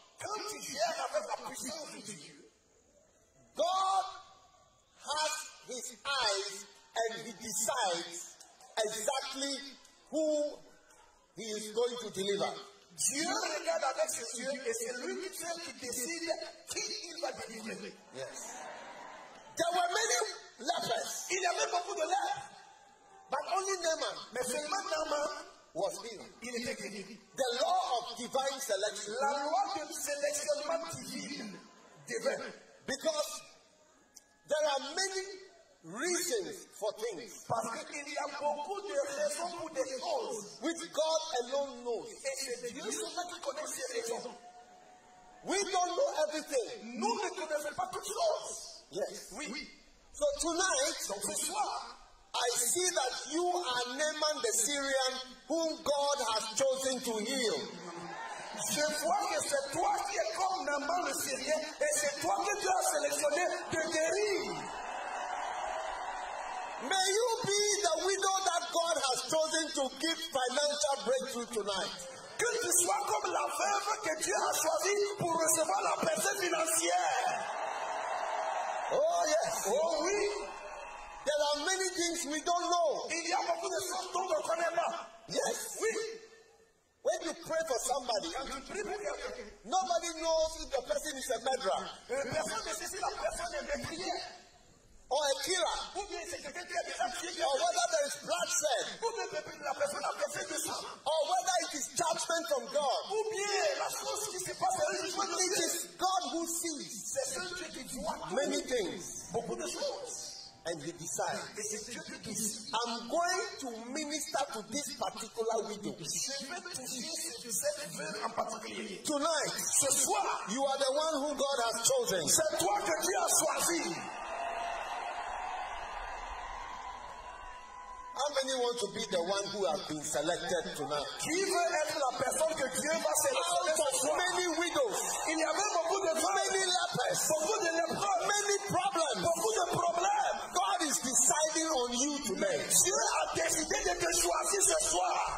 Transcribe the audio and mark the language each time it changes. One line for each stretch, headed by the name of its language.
French: quand tu gères avec la puissance de Dieu,
English: God has his eyes and he decides exactly who he is going to deliver.
French: Dieu regarde avec ses yeux et c'est lui seul qui décide qui il va délivrer.
English: Yes. There were many lepers.
French: Il y avait beaucoup de lèpres.
English: But only Naaman.
French: Mais seulement Naaman
English: was healed.
French: Il était guéri.
English: The law of divine selection.
French: La loi de sélection divine.
English: Divine. Because there are many reasons for things.
French: Parce qu'il y a beaucoup de raisons pour des choses.
English: Which God alone knows.
French: Et c'est Dieu seulement qui connaît ces raisons.
English: We don't know everything.
French: Nous ne connaissons pas toutes choses.
English: Yes.
French: Oui.
English: So tonight,
French: donc ce soir,
English: I see that you are Naaman the Syrian whom God has chosen to heal.
French: Je vois que c'est toi qui es comme Naaman le Syrien et c'est toi que Dieu a sélectionné de guérir.
English: May you be the widow that God has chosen to give financial breakthrough tonight.
French: Que tu sois comme la veuve que Dieu a choisi pour recevoir la percée financière.
English: Oh yes.
French: Oh oui.
English: There are many things we don't know.
French: Il y a beaucoup de choses dont on ne connaît pas.
English: Yes.
French: Oui.
English: When you pray for somebody, nobody knows if the person is a murderer.
French: Personne ne sait si la personne est meurtrière.
English: Or a killer. Or whether there is bloodshed. Or whether it is judgment from God. It is God who sees many things. And he decides. I'm going to minister to this particular widow. Tonight, you are the one who God has chosen. How many want to be the one who has been selected tonight?
French: Qui veut être la personne que Dieu va sélectionner?
English: Out of many widows,
French: il y avait beaucoup de
English: many lepers,
French: beaucoup de lépreux,
English: many problems,
French: beaucoup de problèmes.
English: God is deciding on you today.
French: Dieu a décidé de te choisir ce soir.